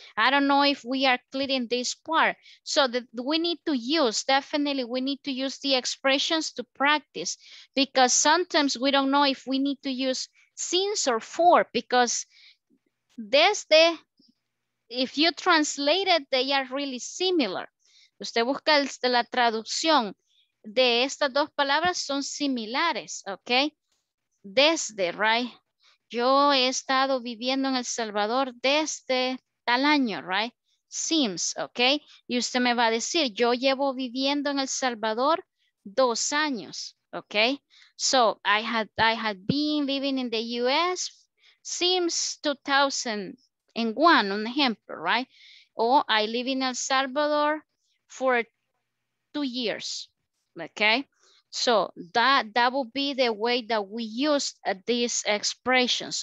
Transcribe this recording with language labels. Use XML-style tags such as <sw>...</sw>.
<en>I don't know if we are clear in this part. So that we need to use, definitely we need to use the expressions to practice because sometimes we don't know if we need to use since or for because desde, if you translate it, they are really similar.</en> <es>Usted busca la traducción de estas dos palabras son similares, okay? Desde, right? Yo he estado viviendo en El Salvador desde tal año, right? Seems, okay? Y usted me va a decir, yo llevo viviendo en El Salvador 2 años, okay?</es> <en>So I had been living in the US since 2001,</en> <es>un ejemplo,</es> <en>right? Or I live in El Salvador for 2 years. Okay, so that will be the way that we use these expressions.</en>